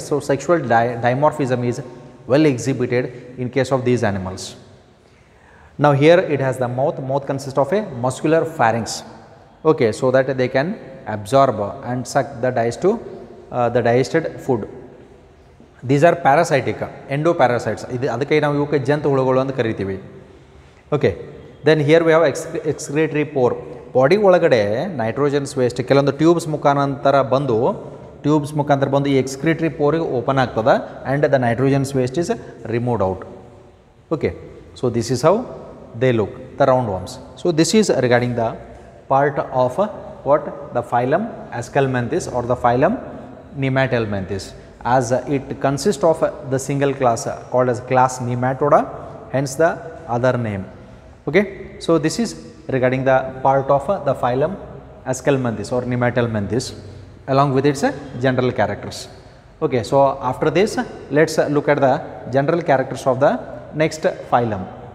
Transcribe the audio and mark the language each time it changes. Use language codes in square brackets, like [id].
[en] So sexual dimorphism is well exhibited in case of these animals. Now here it has the mouth, mouth consists of a muscular pharynx. Okay, so that they can absorb and suck the digested food. These are parasitic, endoparasites. [kn] ಇದು ಅದಕ್ಕೆ ನಾವು ಇವಕ್ಕೆ ಜಂತು ಹುಳುಗಳು ಅಂತ ಕರಿತೀವಿ. [en] Okay, then here we have excretory pore. [kn] Body ಒಳಗಡೆ ನೈಟ್ರೋಜನ್ಸ್ waste ಕೆಲವೊಂದು ಟ್ಯೂಬ್ಸ್ ಮುಖಾಂತರ ಬಂದು, ಟ್ಯೂಬ್ಸ್ ಮುಖಾಂತರ ಬಂದು ಈ ಎಕ್ಸ್ಕ್ರೀಟ್ರಿ ಪೋರಿಗೆ ಓಪನ್ ಆಗ್ತದೆ, [en] And the nitrogenous waste is removed out. Okay, so this is how they look, the round worms. So this is regarding the part of what the phylum Aschelminthes or the phylum Nemathelminthes. As it consists of the single class called as class Nematoda, hence the other name. Okay. So this is regarding the part of the phylum Ascalmanthes or Nematelmanthes, along with its general characters. Okay, so after this, let's look at the general characters of the next phylum.